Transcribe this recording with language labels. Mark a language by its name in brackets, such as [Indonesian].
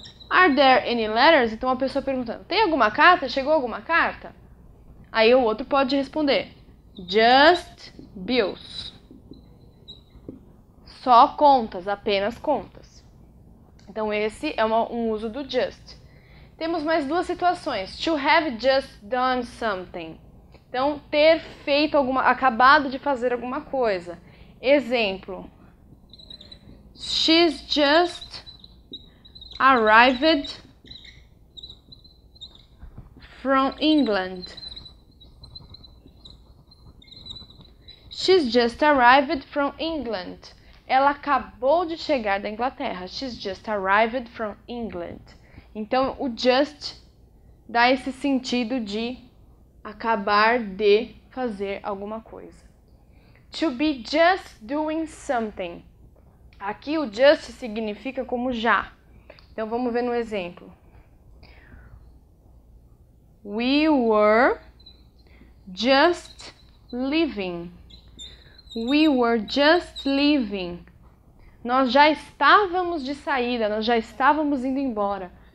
[English] Are there any letters? [Portuguese] Então, a pessoa perguntando, tem alguma carta? Chegou alguma carta? Aí o outro pode responder, [English] just bills. [Portuguese] Só contas, apenas contas. Então, esse é um uso do just. Temos mais duas situações. [English] To have just done something. [Portuguese] Então, ter feito alguma, acabado de fazer alguma coisa. Exemplo. [English] She's just arrived from England. She's just arrived from England. [Portuguese] Ela acabou de chegar da Inglaterra. [English] She's just arrived from England. [Portuguese] Então, o just dá esse sentido de acabar de fazer alguma coisa. [English] To be just doing something. [Portuguese] Aqui o just significa como já. Então vamos ver no exemplo. [English] We were just leaving. We were just leaving. [Portuguese] Nós já estávamos de saída, nós já estávamos indo embora.